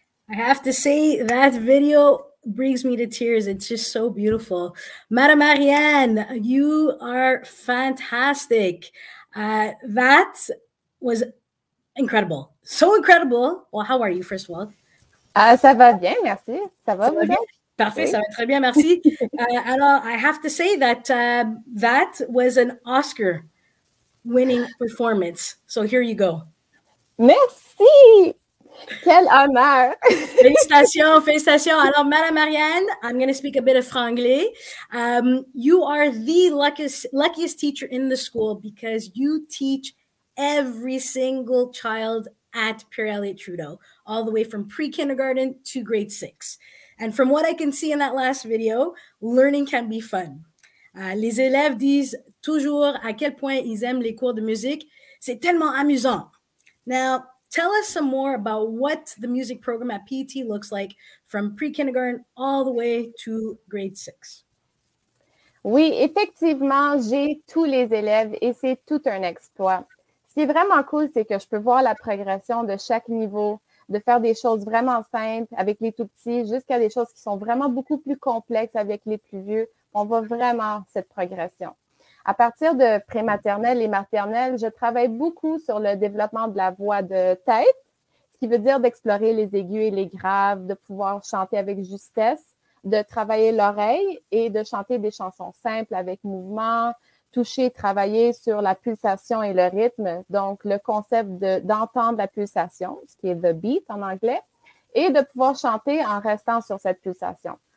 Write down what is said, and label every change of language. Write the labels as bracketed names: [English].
[English] I have to say that video brings me to tears. It's just so beautiful. Madame Ariane, you are fantastic. That was incredible. So incredible. Well, how are you, first of all? [French] Ça va bien, merci. Ça va, vous bien? Parfait, ça va très bien, merci. [English] Alors, I have to say that that was an Oscar-winning performance. So here you go. [French] Merci! Quel honneur! Félicitations, félicitations. [English] Alors, Madame Marianne, I'm going to speak a bit of franglais. You are the luckiest teacher in the school because you teach every single child at Pierre Elliott Trudeau, all the way from pre-kindergarten to grade six. And from what I can see in that last video, learning can be fun. [French] Les élèves disent toujours à quel point ils aiment les cours de musique. C'est tellement amusant. [English] Now, tell us some more about what the music program at PET looks like from pre-kindergarten all the way to grade six. [French] Oui, effectivement, j'ai tous les élèves et c'est tout un exploit. Ce qui est vraiment cool, c'est que je peux voir la progression de chaque niveau, de faire des choses vraiment simples avec les tout-petits jusqu'à des choses qui sont vraiment beaucoup plus complexes avec les plus vieux. On voit vraiment cette progression. À partir de prématernelle et maternelle, je travaille beaucoup sur le développement de la voix de tête, ce qui veut dire d'explorer les aigus et les graves, de pouvoir chanter avec justesse, de travailler l'oreille et de chanter des chansons simples avec mouvement, toucher, travailler sur la pulsation et le rythme, donc le concept d'entendre la pulsation, ce qui est « [English] the beat [French] » en anglais, et de pouvoir chanter en restant sur cette pulsation.